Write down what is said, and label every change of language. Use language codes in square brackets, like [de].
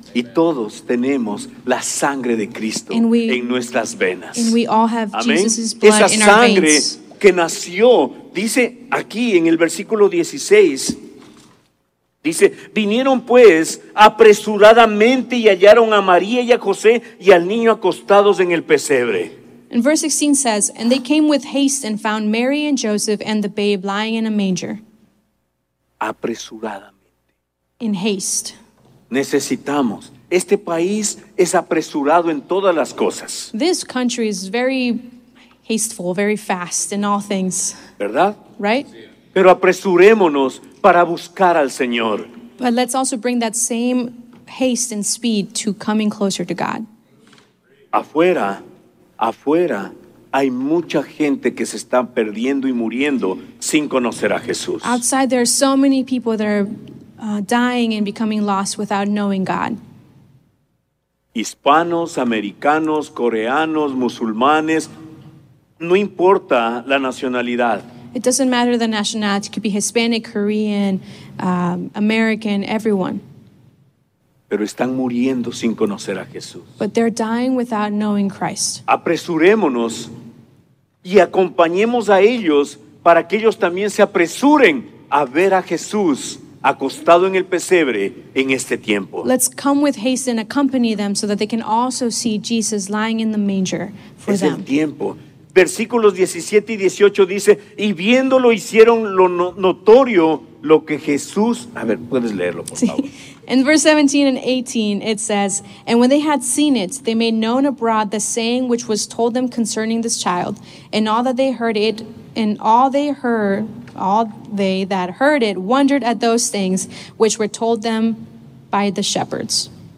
[es] Y todos tenemos la sangre de Cristo en nuestras venas. [en] And we all have Jesus' blood in our veins. [es] Esa sangre que nació, dice aquí en el versículo 16. Dice, vinieron pues apresuradamente y hallaron a María y a José y al niño acostados en el pesebre. [en] And verse 16 says, and they came with haste and found Mary and Joseph and the babe lying in a manger. [es] Apresuradamente. [en] In haste. [es] Necesitamos Este país es apresurado en todas las cosas. [en] This country is very hasteful, very fast in all things. [es] ¿Verdad? [en] Right? [es] Pero apresurémonos para buscar al Señor. [en] But let's also bring that same haste and speed to coming closer to God. [es] Afuera, afuera, hay mucha gente que se está perdiendo y muriendo sin conocer a Jesús. [en] Outside, there are so many people that are dying and becoming lost without knowing God. [es] Hispanos, americanos, coreanos, musulmanes, no importa la nacionalidad. [en] It doesn't matter the nationality. It could be Hispanic, Korean, American, everyone. [es] Pero están muriendo sin conocer a Jesús. [en] But they're dying without knowing Christ. [es] Apresurémonos y acompañemos a ellos para que ellos también se apresuren a ver a Jesús acostado en el pesebre en este tiempo. [en] Let's come with haste and accompany them so that they can also see Jesus lying in the manger for [es] es [en] them. [es] Es el tiempo. Versículos 17 y 18 dice, y viéndolo hicieron lo notorio lo que Jesús... A ver, puedes leerlo, por favor. [en] In verse 17 and 18, it says, and when they had seen it, they made known abroad the saying which was told them concerning this child, and all that they heard it, and all they that heard it wondered at those things which were told them by the shepherds.